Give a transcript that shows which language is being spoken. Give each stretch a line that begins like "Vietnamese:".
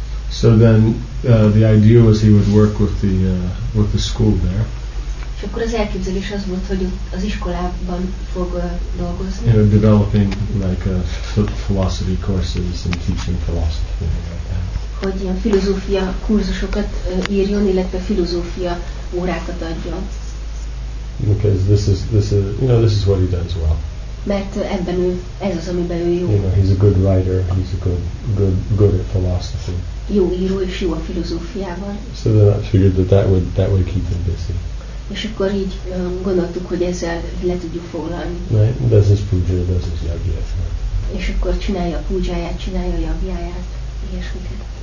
English: So then the idea was he would work with the school there.
Hungarian: És akkor az elképzelés az volt, hogy az iskolában fog dolgozni.
English: You know, developing like philosophy courses and teaching philosophy. Like that.
Hungarian: Hogy ilyen filozófia kurzusokat írjon, illetve filozófia órákat adjon.
English: Because this is this is what he does well.
Hungarian: Mert ebben ő, ez az, amiben ő jó.
English: You know, he's a good writer, he's a good at philosophy.
Hungarian: Jó író és jó a filozófiában.
English: So then I figured that would keep him busy.
Hungarian: És akkor így gondoltuk, hogy ezzel le tudjuk foglalni.
English: Right. This is puja, this is yagya.
Hungarian: És akkor csinálja a pujáját, csinálja a yagyáját, ilyesmiket.